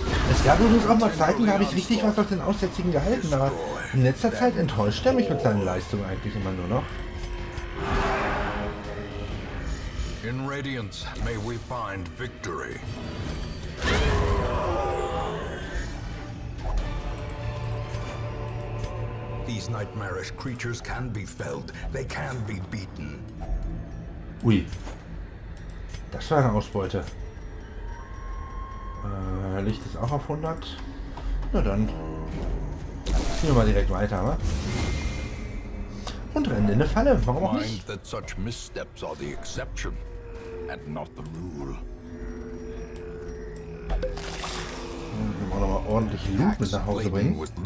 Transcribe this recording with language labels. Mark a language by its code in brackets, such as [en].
[de] Es gab übrigens auch mal Zeiten, da habe ich richtig was auf den Aussätzigen gehalten, aber in letzter Zeit enttäuscht er mich mit seinen Leistungen eigentlich immer nur noch. [en] In Radiance may we find victory. These nightmarish creatures can be felled, they can be beaten. [de] Ui. Das war eine Ausbeute. Licht ist auch auf 100. Na dann. Gehen wir mal direkt weiter, wa? Und rennen in eine Falle, warum auch nicht? [en] That such missteps are the exception and not the rule. [de] ordentlich Loot mit nach Hause bringen.